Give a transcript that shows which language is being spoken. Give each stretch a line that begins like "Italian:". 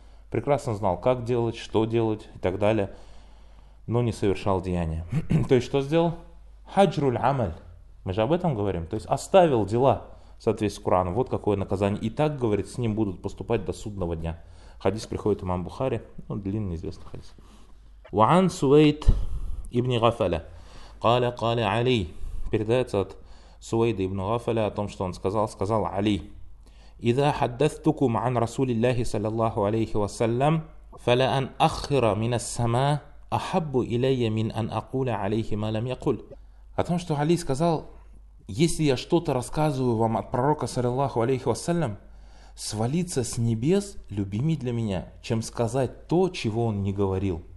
Russian: Прекрасно знал, как делать, что делать и так далее. Но не совершал деяния. То есть что сделал? Хаджруль амаль. Мы же об этом говорим. То есть оставил дела в соответствии с Кораном. Вот какое наказание. И так, говорит, с ним будут поступать до судного дня. Хадис приходит имам Бухари. Ну, длинный, известный хадис.
Arabic: وَعَنْ سُوَيْدْ ибн غَفَلَ قَالَ قَالَ عَلِي.
Russian: Передается от Суэйда ибн Гафаля о том, что он сказал. Сказал Али.
Arabic: إِذَا حَدَّثْتُكُمْ عَنْ رَسُولِ اللَّهِ صَلَى اللَّهُ عَلَيْهِ وَسَلَّمْ فَلَا أَنْ أَخِّرَ مِنَ السَّمَاءِ أَحَبُّ إِلَيَّ مِنْ أَنْ أَقُولَ عَلَيْهِ مَا لَمْ يَقُلْ.
Russian: О том, что Али сказал, если я что-то рассказываю вам от пророка, саллиллаху алейхи вассалям, свалиться с небес любимей для меня, чем сказать то, чего он не говорил.